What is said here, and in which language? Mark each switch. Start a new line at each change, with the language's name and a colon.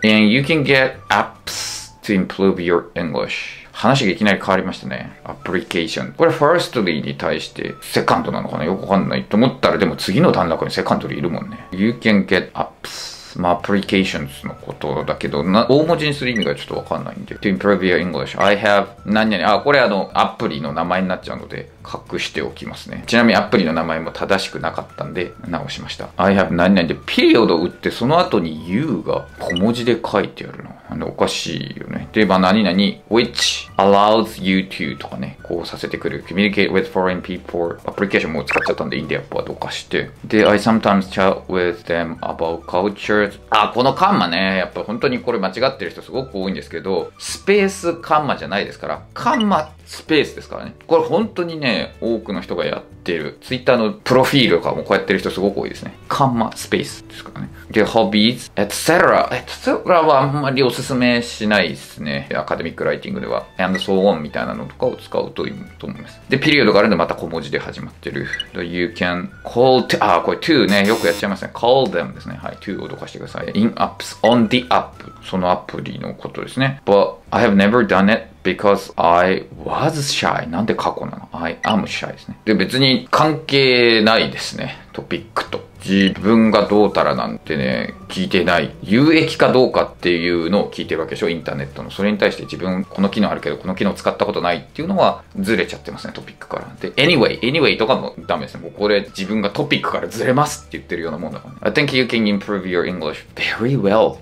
English: and you can get apps to improve your English。
Japanese: 話がいきなり変わりましたね。 application、 これ firstly に対して second なのかな、よくわかんないと思ったら、でも次の段落に secondly いるもんね。
English: you can get apps
Japanese: まあ、applications のことだけど、大文字にする意味がちょっとわかんないんで。
English: to improve your English, I have
Japanese: 何々、あ、これあの、アプリの名前になっちゃうので、隠しておきますね。ちなみにアプリの名前も正しくなかったんで、直しました。
English: I have
Japanese: 何々で、ピリオド打って、その後に U が小文字で書いてあるの。おかしいよね。で、まあ、何々、
English: which allows you to
Japanese: とかね、こうさせてくる。
English: communicate with foreign people
Japanese: アプリケーションも使っちゃったんで、インディアップはどかして。
English: で、I sometimes chat with them about cultures。
Japanese: あ、このカンマね、やっぱ本当にこれ間違ってる人すごく多いんですけど、スペースカンマじゃないですから、カンマスペースですからね。これ本当にね、多くの人がやってる。Twitter のプロフィールとかもこうやってる人すごく多いですね。カンマスペースですからね。
English: で、hobbies、etc。etc.
Japanese: はあんまりおすすめしないですね。アカデミックライティングでは。
English: and so on
Japanese: みたいなのとかを使うといいと思います。で、ピリオドがあるんでまた小文字で始まってる。
English: The、you can call to,
Japanese: あ、これ to ね、よくやっちゃいますね。
English: call them
Japanese: ですね。はい、to をどかしてください。
English: in apps, on the app。
Japanese: そのアプリのことですね。
English: but, I have never done it. Because I was shy.
Japanese: なんで過去なの?
English: I am shy ですね。
Japanese: で、別に関係ないですね。トピックと。自分がどうたらなんてね、聞いてない。有益かどうかっていうのを聞いてるわけでしょ、インターネットの。それに対して自分、この機能あるけど、この機能使ったことないっていうのは、ずれちゃってますね、トピックから。で、anyway とかもダメですね。もうこれ、自分がトピックからずれますって言ってるようなもんだからね。
English: I think you can improve your English very well.